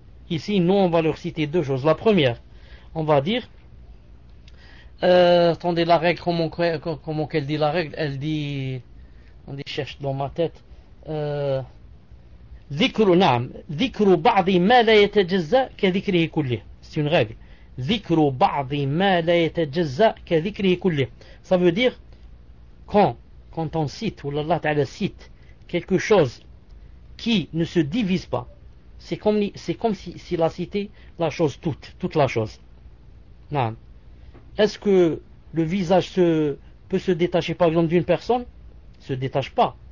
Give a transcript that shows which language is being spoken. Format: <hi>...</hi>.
<fr>Ici, nous, on va leur citer deux choses. La première, on va dire, attendez, la règle, comment qu'elle dit la règle, elle dit, on dit, cherche dans ma tête,</fr> <ar>ذكر نعم ذكر بعض ما لا يتجزأ كذكره كله.</ar> <fr>C'est une règle.</fr> <ar>ذكر بعض ما لا يتجزأ كذكره كله.</ar> <fr>Ça veut dire quand on cite ou Allah Ta'ala cite quelque chose qui ne se divise pas, c'est comme s'il a cité la chose toute la chose.</fr> <ar>نعم.</ar> <fr>Est-ce que le visage peut se détacher par exemple d'une personne? Se détache pas.</fr>